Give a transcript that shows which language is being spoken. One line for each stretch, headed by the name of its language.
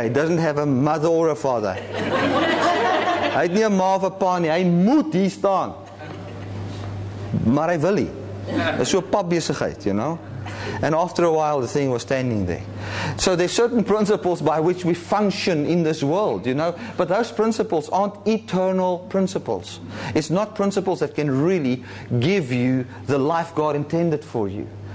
English: It doesn't have a mother or a father.
Afrikaans: Hy het nie 'n ma of 'n pa nie. Hy moet hier staan. Maar hy wil hy. Is so 'n papbesigheid,
English: you know. And after a while, the thing was standing there. So there's certain principles by which we function in this world, you know. But those principles aren't eternal principles. It's not principles that can really give you the life God intended for you.